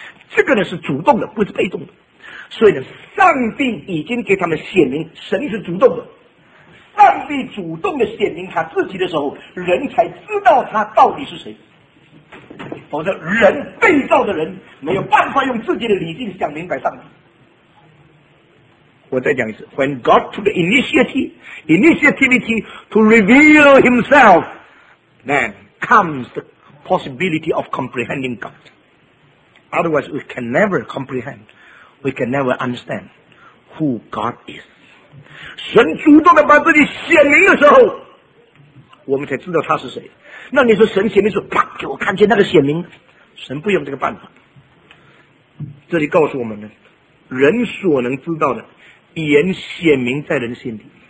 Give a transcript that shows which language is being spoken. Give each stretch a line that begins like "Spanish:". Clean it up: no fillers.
Chinese: 这个呢是主动的，不是被动的。所以呢，上帝已经给他们显明神是主动的，上帝主动的显明他自己的时候，人才知道他到底是谁。否则人，被造的人没有办法用自己的理性想明白上帝。我再讲一次，
English: When God took the initiativity to reveal himself, then comes the possibility of comprehending God. Otherwise we can never comprehend, we can never understand who God is.
Chinese: 神主动的把自己显明的时候，我们才知道他是谁。那你说神显明说啪给我看见那个显明，神不用这个办法。这里告诉我们呢，人所能知道的言显明在人心里。